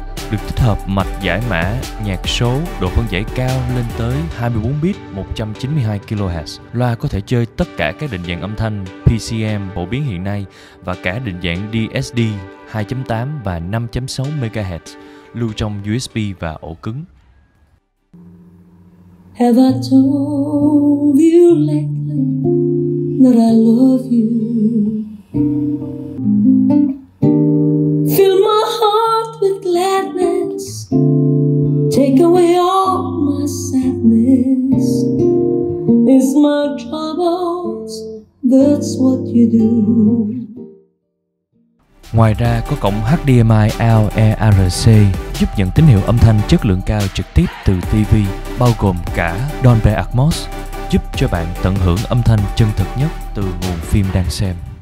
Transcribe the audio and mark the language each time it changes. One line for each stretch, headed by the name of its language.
Vietnamese: Được tích hợp mạch giải mã, nhạc số, độ phân giải cao lên tới 24 bit 192 kHz. Loa có thể chơi tất cả các định dạng âm thanh PCM phổ biến hiện nay và cả định dạng DSD 2.8 và 5.6 MHz lưu trong USB và ổ cứng.
English: Have I told you lately that I love you? Fill my heart with gladness. Take away all my sadness. It's my troubles, that's what you do.
Vietnamese: Ngoài ra có cổng HDMI LEARC giúp nhận tín hiệu âm thanh chất lượng cao trực tiếp từ TV, bao gồm cả Dolby Atmos, giúp cho bạn tận hưởng âm thanh chân thực nhất từ nguồn phim đang xem.